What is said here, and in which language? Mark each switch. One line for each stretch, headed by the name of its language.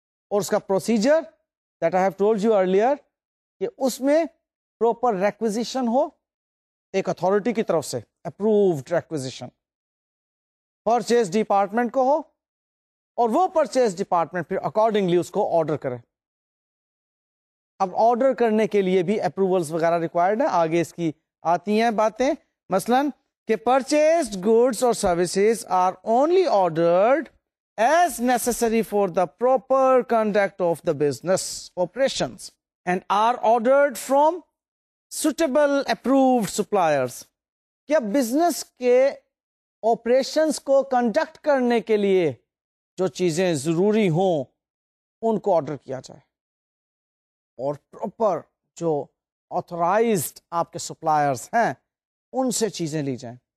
Urdu: اور اس کا procedure that I have told you earlier کہ اس میں پروپر ریکوزیشن ہو ایک اتھارٹی کی طرف سے, اپروڈ ریکوزیشن پرچیز ڈپارٹمنٹ کو ہو, اور وہ پرچیز ڈپارٹمنٹ پھر اکارڈنگلی اس کو آرڈر کرے. اب آرڈر کرنے کے لیے بھی اپروولس وغیرہ ریکوائرڈ ہیں, آگے اس کی آتی ہیں باتیں.
English: مثلا کہ purchase goods اور services are only ordered as necessary for the proper conduct of the business operations and are ordered from suitable approved suppliers.
Urdu: کیا بزنس کے آپریشنس کو کنڈکٹ کرنے کے لیے جو چیزیں ضروری ہوں ان کو آرڈر کیا جائے, اور پروپر جو آتھرائزڈ آپ کے سپلائرز ہیں ان سے چیزیں لی جائیں.